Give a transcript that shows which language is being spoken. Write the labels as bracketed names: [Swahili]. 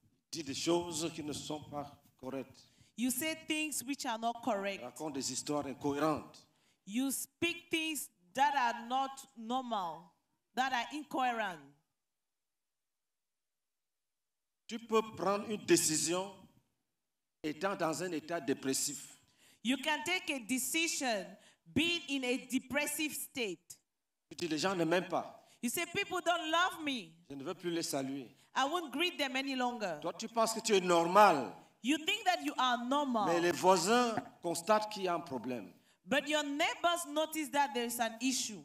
[French] Dis des choses qui ne sont pas correctes. [English] You say things which are not correct. [French] Raconte des histoires incohérentes. [English] You speak things that are not normal, that are incoherent. [French] Tu peux prendre une décision étant dans un état dépressif. [English] You can take a decision being in a depressive state. [French] Tu dis les gens ne m'aiment pas. [English] You say, people don't love me. [French] Je ne veux plus les saluer. [English] I won't greet them any longer. [French] Toi, tu penses que tu es normal. [English] You think that you are normal. [French] Mais les voisins constatent qu'il y a un problème. [English] But your neighbors notice that there is an issue.